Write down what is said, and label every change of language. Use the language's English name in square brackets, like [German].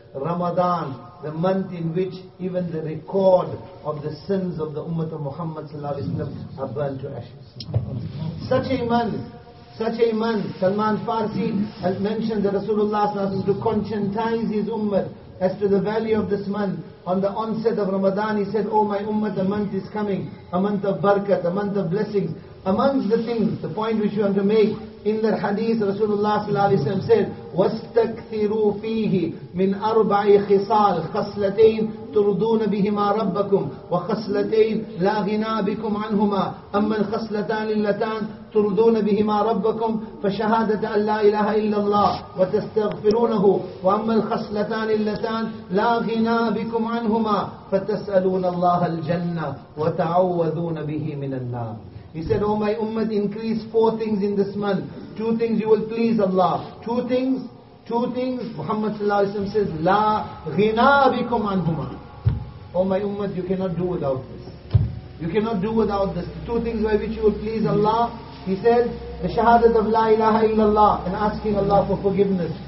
[English] Ramadan, the month in which even the record of the sins of the Ummah of Muhammad sallallahu alaihi wasallam are burned to ashes. Such a month, Salman Farsi has mentioned that Rasulullah sallallahu alaihi wasallam to conscientize his Ummah as to the value of this month. On the onset of Ramadan, he said, oh my Ummah, the month is coming, a month of barakat, a month of blessings. Amongst the things, the point which you want to make, in the hadith, Rasulullah sallallahu alaihi wasallam said, [Arabic] وَاسْتَكْثِرُوا فِيهِ مِنْ أَرْبَعِ خِصَالٍ خَصْلَتَيْنِ تُرْضُونَ بِهِمَا رَبَّكُمْ وَخَصْلَتَيْنِ لَا غِنَى بِكُمْ عَنْهُمَا أَمَّا الْخَصْلَتَانِ اللَّتَانِ تُرْضُونَ بِهِمَا رَبَّكُمْ فَشَهَادَةَ أَنْ لَا إِلَهَ إِلَّا اللَّهِ وَتَسْتَغْفِرُونَهُ وَأَمَّا الْخَصْلَتَانِ اللَّتَانِ لَا غِنَى بِكُمْ عَنْهُمَا فَتَسْأَلُونَ اللَّهَ الْجَنَّةِ وَتَعَوَّذُونَ بِهِ مِنَ النَّارِ. [English] He said, oh my Ummah, increase four things in this month. Two things you will please Allah. Two things, Muhammad sallallahu alayhi wa sallam says, [Arabic] La ghina bikum anhuma. [English] Oh my Ummah, you cannot do without this. You cannot do without this. Two things by which you will please Allah. He said, the shahadat of La ilaha illallah, and asking Allah for forgiveness.